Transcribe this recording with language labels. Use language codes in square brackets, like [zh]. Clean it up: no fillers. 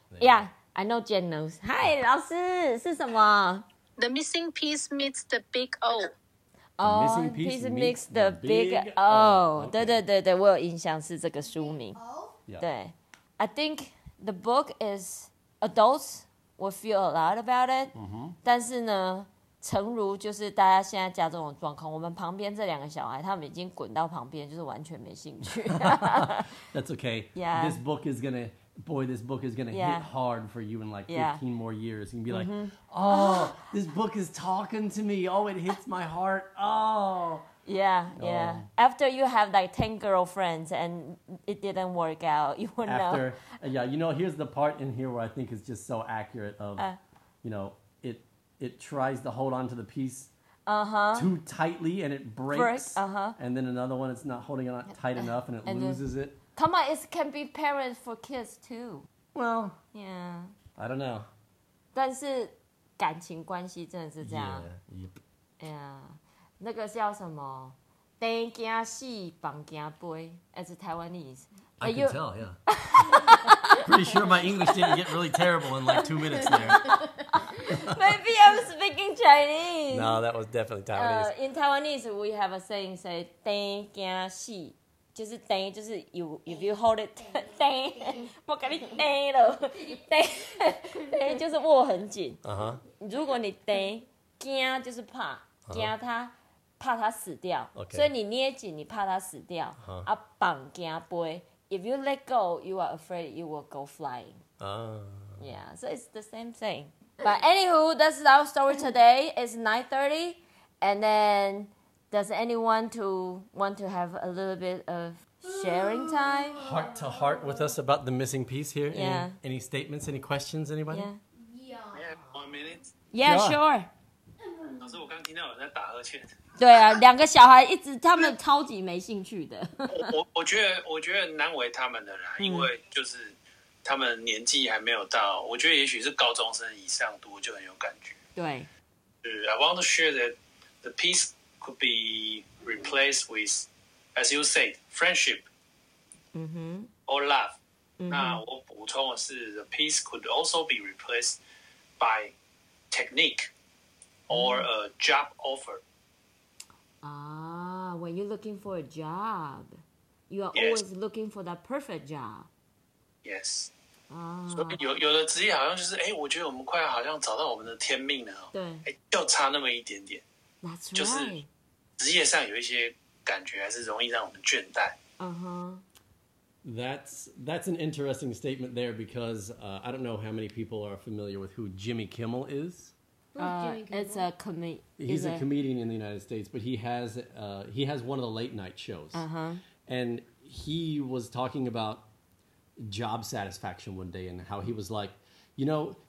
[en] Yeah. I know Jen knows. Hi, [zh] 老师, 是什么? [en] The missing piece meets the big O. Oh, the missing piece meets the big O. Okay. [zh] 对,我有印象是这个书名. Yeah. 对. [en] I think the book is adults. We feel a lot about it. Mm-hmm. [zh] 但是呢, 诚如就是大家现在家这种状况, 我们旁边这两个小孩, 他们已经滚到旁边, 就是完全没兴趣。 [en] That's okay. Yeah. This book is going to yeah. hit hard for you in like 15 yeah. more years. You're going to be like, mm-hmm. oh, this book is talking to me. Oh, it hits my heart. Oh. Yeah, yeah. Oh. After you have like 10 girlfriends and it didn't work out, you would know. After, yeah, you know, here's the part in here where I think is just so accurate of, you know, it tries to hold on to the piece uh-huh. too tightly and it breaks. Uh-huh. And then another one, it's not holding it on tight enough and it loses it. Come on, it can be parents for kids too. Well, yeah. I don't know. [zh] 但是感情关系真的是这样。 [en] Yeah. [zh] 那个叫什么？电惊死，房惊飞 ， [en] as Taiwanese. I can tell. Yeah. Pretty sure my English didn't get really terrible in like 2 minutes there. Maybe I'm speaking Chinese. No, that was definitely Taiwanese. In Taiwanese, we have a saying say [zh] 电惊死。就是等，就是 [en] if you hold it [zh] 等，我给你等了，等等就是握很紧。 [en] Uh-huh. [zh] 如果你等，惊就是怕，惊他、uh-huh. 怕他死掉。 [en] Okay. [zh] 所以你捏紧，你怕他死掉。 [en] Uh-huh. [zh] 啊，绑惊飞。 [en] If you let go, you are afraid you will go flying. Yeah. So it's the same thing. But anywho, that's our story today. It's 9:30, and then. Does anyone to want to have a little bit of sharing time? Heart to heart with us about the missing piece here? Yeah. Any statements, any questions, anybody? Yeah. 1 minute? Yeah, sure. [zh] 老师，我刚听到有人在打呵欠。对啊，两个小孩一直，他们超级没兴趣的。我觉得难为他们的啦，因为就是他们年纪还没有到，我觉得也许是高中生以上读就很有感觉。对。 [en] I want to share that the piece... could be replaced with, as you say, friendship、 mm-hmm. or love.、Mm-hmm. [zh] 那我补充的是 [en] the piece could also be replaced by technique or、mm-hmm. a job offer. Ah, when you're looking for a job, you are、yes. always looking for that perfect job. Yes.、 Ah. [zh] 所以有的职业好像就是、欸、我觉得我们快好像找到我们的天命了、喔、对、欸、就差那么一点点。 [en] That's right.、 [zh] 就是职业上有一些感觉，还是容易让我们倦怠。 [en] Uh-huh. That's an interesting statement there because、I don't know how many people are familiar with who Jimmy Kimmel is. It's a comedian. He's a comedian in the United States, but he has one of the late night shows. Uh-huh. And he was talking about job satisfaction one day and how he was like, you know...